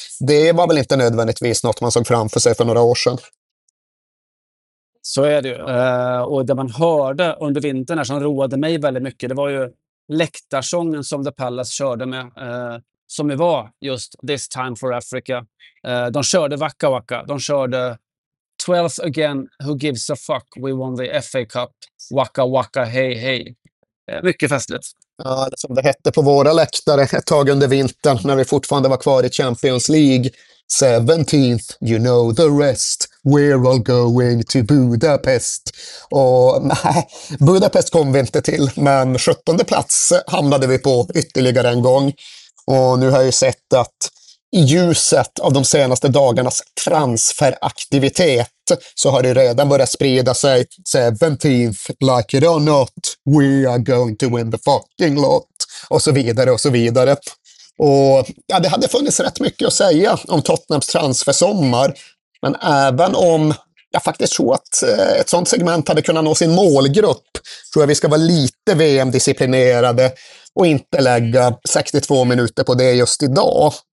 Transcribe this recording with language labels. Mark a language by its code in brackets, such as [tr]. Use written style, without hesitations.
[sv] Det var väl inte nödvändigtvis något man såg framför sig för några år sedan. Så är det ju. Och det man hörde under vintern som roade mig väldigt mycket, det var ju läktarsången som The Palace körde med, som ju var just This Time for Africa. De körde Waka Waka. De körde [en] 12th again, who gives a fuck, we won the FA Cup. [sv] Waka Waka, hey hey. Mycket festligt. Ja, som det hette på våra läktare ett tag under vintern när vi fortfarande var kvar i Champions League. [en] 17th, you know the rest. We're all going to Budapest. [sv] Och Budapest kom vi inte till, men 17:e plats hamnade vi på ytterligare en gång. Och nu har jag ju sett att i ljuset av de senaste dagarnas transferaktivitet så har det redan börjat sprida sig. [en] 17th, like it or not, we are going to win the fucking lot. [sv] Och så vidare och så vidare. Och ja, det hade funnits rätt mycket att säga om Tottenhams transfersommar. Men även om jag faktiskt tror att ett sånt segment hade kunnat nå sin målgrupp, tror jag vi ska vara lite VM-disciplinerade och inte lägga 62 minuter på det just idag.